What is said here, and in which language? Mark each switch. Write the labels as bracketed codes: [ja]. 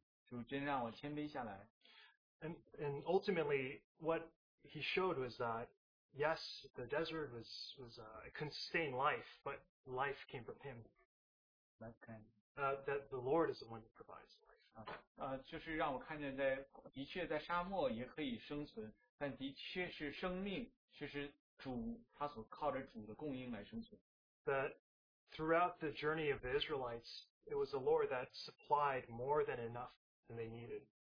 [zh] 就真让我谦卑下来。 [en] And ultimately, what he showed was that, yes, the desert it couldn't sustain life, but life came from him. That the Lord is the one who provides life. [zh] 就是让我看见在沙漠也可以生存，但的确是生命，就是主，他所靠着主的供应来生存。 [en] That throughout the journey of the Israelites, it was the Lord that supplied more than enough than they needed.